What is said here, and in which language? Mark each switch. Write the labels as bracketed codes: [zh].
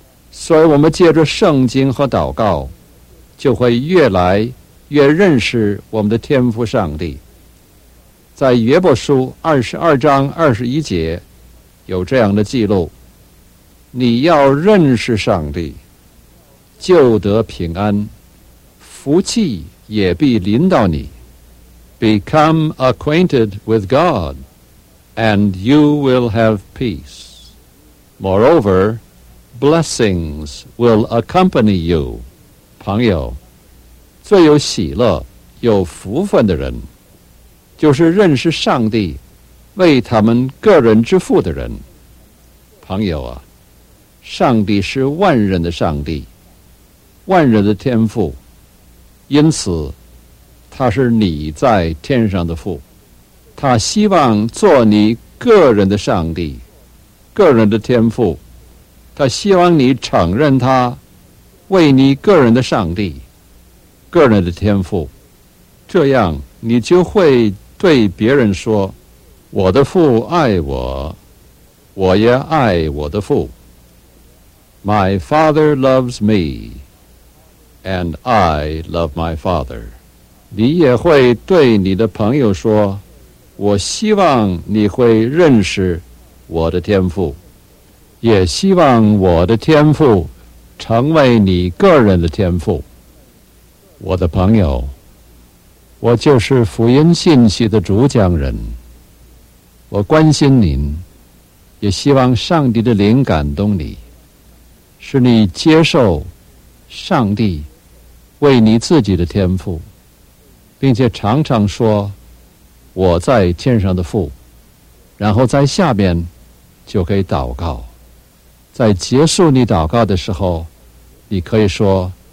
[zh] 所以我们借着圣经和祷告，就会越来越认识我们的天父上帝。在约伯书22:21有这样的记录，你要认识上帝，就得平安，福气也必临到你。 [en] Become acquainted with God and you will have peace. Moreover, blessings will accompany you. [zh] 朋友，最有喜乐有福分的人，就是认识上帝为他们个人之父的人。朋友啊，上帝是万人的上帝，万人的天父，因此他是你在天上的父，他希望做你个人的上帝，个人的天父，他希望你承认他为你个人的上帝，个人的天父。这样你就会对别人说，我的父爱我，我也爱我的父。 [en] My father loves me, and I love my father. [zh] 你也会对你的朋友说，我希望你会认识我的天父，也希望我的天父成为你个人的天父。我的朋友，我就是福音信息的主讲人，我关心您，也希望上帝的灵感动你，使你接受上帝为你自己的天父，并且常常说，我在天上的父，然后在下面就可以祷告。在结束你祷告的时候，你可以说，